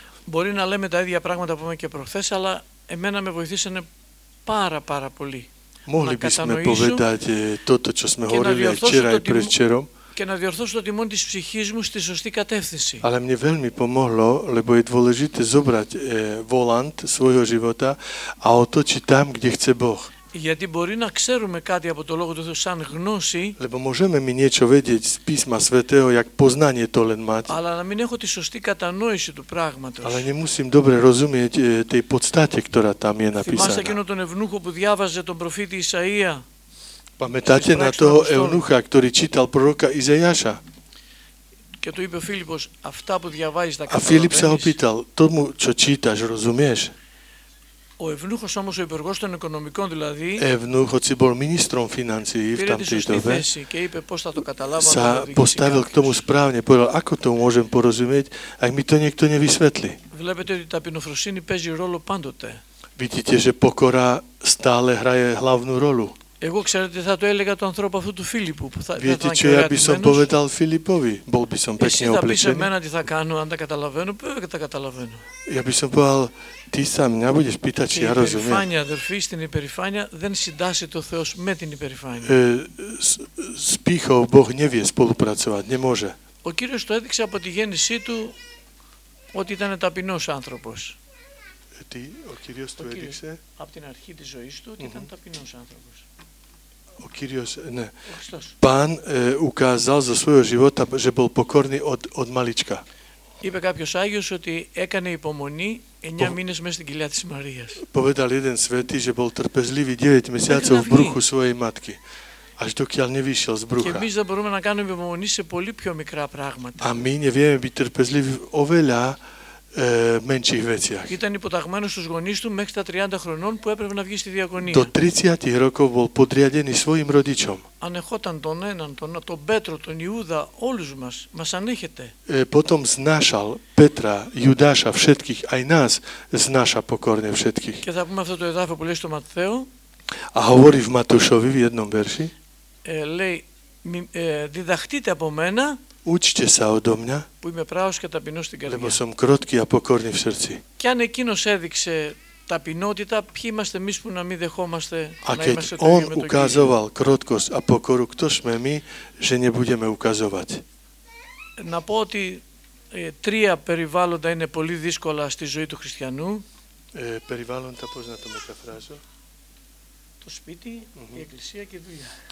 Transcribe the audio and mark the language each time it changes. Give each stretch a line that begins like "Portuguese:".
Greek: Μπορεί να λέμε τα ίδια πράγματα που είμαι και προχθές, αλλά εμένα με βοηθήσανε πάρα πάρα πολύ.
Slovak: Μόλι by sme povedať toto, čo sme hovorili aj včera aj predvčerom.
Greek: Και να διορθώσω το τιμόν της ψυχής μου στη σωστή κατεύθυνση.
Slovak: Ale mne veľmi pomohlo, lebo je dôležité zobrať volant svojho života a otočiť tam, kde chce Boh.
Greek: Γιατί μπορεί να ξέρουμε κάτι από το λόγο του Θεού σαν γνώση.
Slovak: Lebo môžeme mi niečo vedieť z písma svätého, jak poznanie to len mať.
Greek: Αλλά να μην έχω τη σωστή κατανόηση του πράγματος.
Slovak: Ale nemusím dobre rozumieť tej podstate, ktorá tam je napísaná.
Greek: Θυμάστε εκείνο τον ευνούχο που διάβαζε τον προφήτη Ισαΐα.
Slovak: Pamätáte na toho eunucha, ktorý čítal proroka Izajaša?
Greek: Και του είπε ο Φίλιππος, αυτά που διαβάζεις τα καταλαβαίνεις.
Slovak: A Filip sa ho pýtal, tomu, čo čítaš, rozumieš?
Greek: Ο ευνούχος όμως, ο υπουργός των οικονομικών δηλαδή, ευνούχος, ήταν
Slovak: ministrom financií,
Greek: πήρε τη σωστή θέση και είπε πώς θα το καταλάβω.
Slovak: Σα postavil k tomu správne, povedal, ako to môžem porozumieť, ak mi to niekto nevysvetlí.
Greek: Βλέπετε ότι η ταπεινοφροσύνη παίζει ρόλο πάντοτε.
Slovak: Vidíte, že pokora stále hraje hlavnú rolu.
Greek: Εγώ ξέρετε, θα το έλεγα του ανθρώπου αυτού του Φίλιππου.
Slovak: Viete, čo ja by som povedal Filipovi? Bol by som pekne oblečený.
Greek: Εσύ θα πεις εμένα τι θα κάνω, αν τα καταλαβαίνω, πέρα τα καταλαβαίνω.
Slovak: Ja by som povedal, ty sa μια budeš πίτα, či ja rozumiem.
Greek: Η υπερηφάνεια, αδερφή, στην υπερηφάνεια δεν συντάσσεται ο Θεός με την υπερηφάνεια.
Slovak: S pýchou Boh nevie spolupracovať, nemôže.
Greek: Ο Κύριος το έδειξε από τη γέννησή του ότι ήταν ταπεινός άνθρωπος. Τι, ο Κύριος το έδειξε. Από την αρχή της ζωής του ότι ήταν ταπεινός άνθρωπος. Ο Κύριος, ναι.
Slovak: Παν ουκάζαλ ζω σου ζιβότα, ζε πολ ποκόρνη οτ μαλίτσκα.
Greek: Είπε κάποιος Άγιος ότι έκανε υπομονή 9 μήνες μέσα στην κοιλιά της Μαρίας.
Slovak: Povedal jeden svätý, že bol trpezlivý 9 mesiacov v bruchu svojej matky. Až dokiaľ nevyšiel z brucha.
Greek: Και εμείς δεν μπορούμε να κάνουμε υπομονή σε πολύ πιο μικρά πράγματα.
Slovak: A my nevieme byť trpezliví v oveľa menších veciach.
Greek: Ήταν υποταγμένος στους γονείς του μέχρι τα 30 χρονών που έπρεπε να βγει στη διακονία.
Slovak: Do 30 rokov bol podriadený svojim rodičom.
Greek: Ανεχόταν τον έναν, τον Πέτρο, τον Ιούδα, όλους μας ανέχεται.
Slovak: Potom znášal Petra, Judáša, všetkých, aj nás znáša pokorne všetkých.
Greek: Και θα πούμε αυτό το εδάφιο που λέει στο Ματθαίο.
Slovak: A hovorí v Matúšovi v jednom verši.
Greek: Λέει, διδαχτείτε από μένα.
Slovak: Učte sa odo mňa,
Greek: που είμαι πράος και ταπεινός στην καρδιά.
Slovak: Lebo som krotký a pokorný v srdci.
Greek: Και αν εκείνος έδειξε ταπεινότητα, ποιοι είμαστε εμείς που να μην δεχόμαστε να είμαστε τον ίδιο με τον Κύριο.
Slovak: A keď on ukazoval krotkosť a pokoru, kto sme my, že nebudeme ukazovať.
Greek: Να πω ότι τρία περιβάλλοντα είναι πολύ δύσκολα στη ζωή του χριστιανού. Περιβάλλοντα, πώς να το μεταφράζω. Το σπίτι, η εκκλησία και η δουλειά.